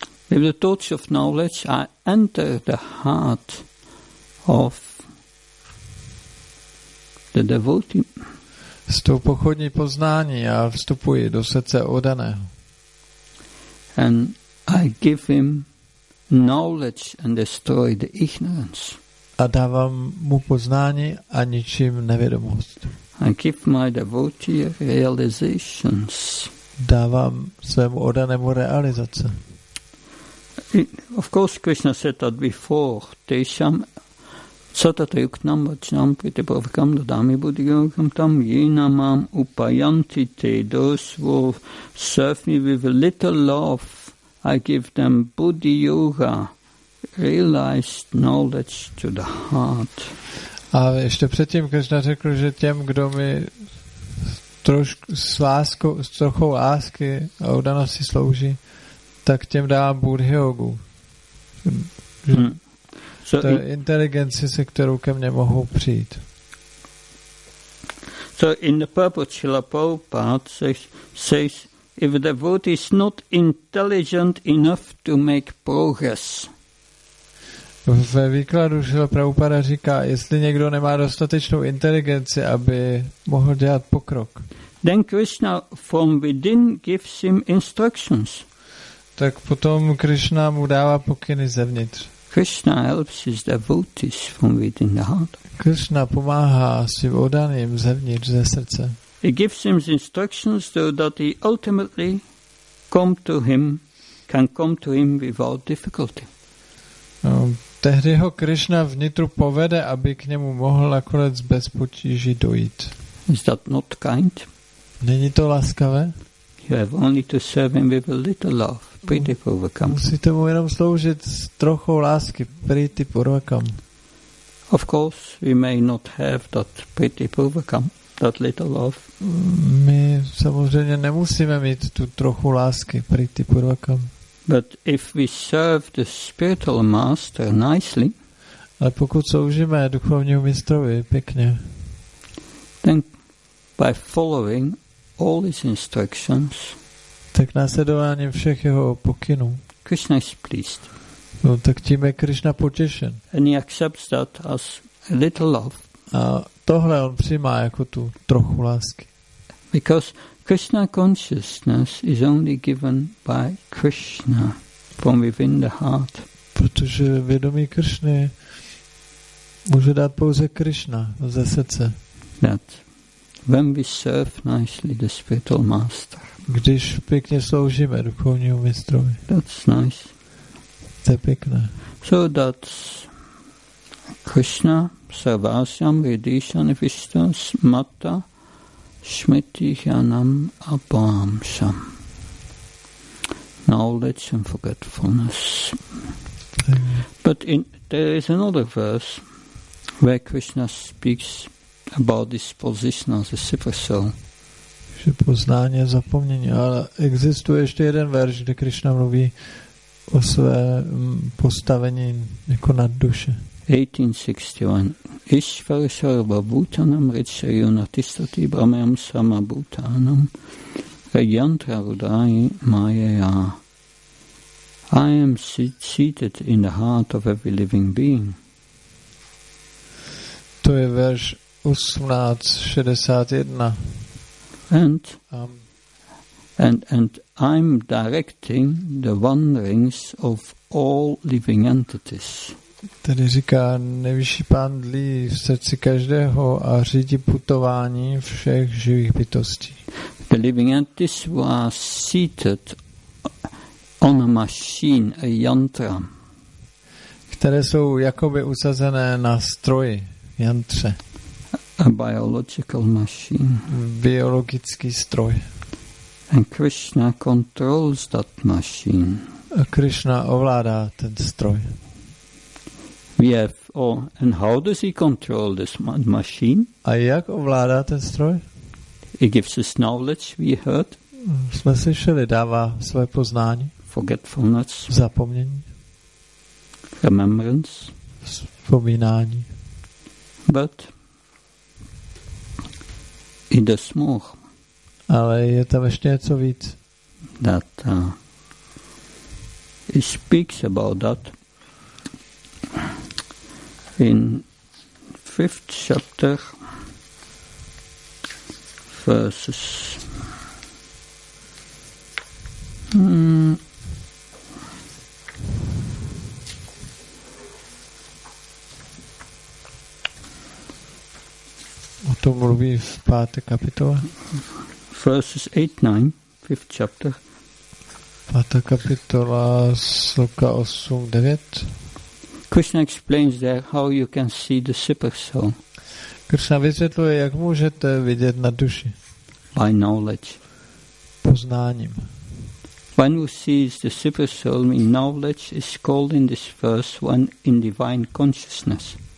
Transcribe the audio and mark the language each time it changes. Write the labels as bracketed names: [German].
[English] With the torch of knowledge, I enter the heart of the devotee. [Czech] S tou pochodní poznání já vstupuji do srdce oddaného. [English] And I give him knowledge and destroy the ignorance. [Czech] A dávám mu poznání a ničím nevědomost. [English] I give my devotee realizations. [Czech] Dávám svému oddanému realizace. [English] Of course, Krishna said that before. [Sanskrit] Tesham Satata yuknam vachnam pitipavakam dadami buddhiyogam tam yinamam upayanti te, [English] those who serve me with a little love, I give them buddhi yoga, realized knowledge to the heart. [Czech] A ještě předtím Krishna řekl, že těm, kdo mi trošku s láskou, s trochou lásky a udanosti slouží, tak těm dá buddhi yogu. So to inteligenci, se kterou ke mně mohou přijít. [English] So in the purport Srila Prabhupada says if the devotee is not intelligent enough to make progress. [Czech] Ve výkladu Srila Prabhupada říká, jestli někdo nemá dostatečnou inteligenci, aby mohl dělat pokrok. [English] Then Krishna from within gives him instructions. [Czech] Tak potom Krishna mu dává pokyny zevnitř. [English] Krishna helps his devotees from within the heart. [Czech] Krishna pomáhá svým oddaným zevnitř ze srdce. [English] He gives him instructions so that he ultimately can come to him without difficulty. [Czech] No, tehdy ho Krishna vnitru povede, aby k němu mohl nakonec bez potíží dojít. [English] Is that not kind? [Czech] Není to laskavé? [English] You have only to serve him with a little love. [Sanskrit] Priti Purvakam. [Czech] Musíte mu jenom sloužit s trochou lásky. [Sanskrit] Priti Purvakam. [English] Of course, we may not have that Priti Purvakam, that little love. [Czech] My samozřejmě nemusíme mít tu trochu lásky. [Sanskrit] Priti Purvakam. [English] But if we serve the spiritual master nicely, [Czech] ale pokud sloužíme duchovnímu mistrovi pěkně, [English] then by following all his instructions, [Czech] tak následováním všech jeho pokynů. [English] Krishna is pleased. [Czech] No, tak tím je Krishna potěšen. [English] And he accepts that as a little love. [Czech] A tohle on přijímá jako tu trochu lásky. [English] Because Krishna consciousness is only given by Krishna from within the heart. [Czech] Protože vědomí Krishny může dát pouze Krishna ze srdce. [English] That when we serve nicely the spiritual master. [Czech] Když pěkně sloužíme duchovnímu mistrovi. [English] That's nice. [Czech] To je pěkné. [English] So that's Krishna, [Sanskrit] Sarvasyam, Vidishan, Vistas, Mata, Smritihyanam, Abhamsam. [English] Knowledge and forgetfulness. But there is another verse where Krishna speaks about this position as a super soul. [Czech] Že poznání a zapomnění. Ale existuje ještě jeden verš, kde Krishna mluví o své postavení jako nad duše. [Sanskrit] 1861. Ishvara sarva bhutanam richaryuna tisthati brahmayam sama bhutanam rayantra rudai mayaya. [English] I am seated in the heart of every living being. [Czech] To je verš 1861. [English] And I'm directing the wanderings of all living entities. [Czech] Tady říká nejvyšší pán dlí v srdci každého a řídí putování všech živých bytostí. [English] The living entities were seated on a machine, a yantra. [Czech] Které jsou jakoby usazené na stroji, yantře. [English] A biological machine. [Czech] Biologický stroj. [English] And Krishna controls that machine. [Czech] A Krishna ovládá ten stroj. [English] And how does he control this machine? [Czech] A jak ovládá ten stroj? [English] He gives us knowledge, we heard. [Czech] Jsme slyšeli, dává své poznání. [English] Forgetfulness. [Czech] Zapomnění. [English] Remembrance. [Czech] Vzpomínání. [English] But in the smog. [Czech] Ale je tam ještě něco víc. [English] That he speaks about that in fifth chapter verses. [Czech] To mluví v páté kapitole. [English] Verses 8-9, fifth chapter. [Czech] Pátá kapitola, sloka 8-9. [English] Krishna explains there how you can see the super soul. [Czech] Krishna vysvětluje, jak můžete vidět na duši. [English] By knowledge. [Czech] Poznáním. [English] One who sees the super soul in knowledge is called in this verse one in divine consciousness.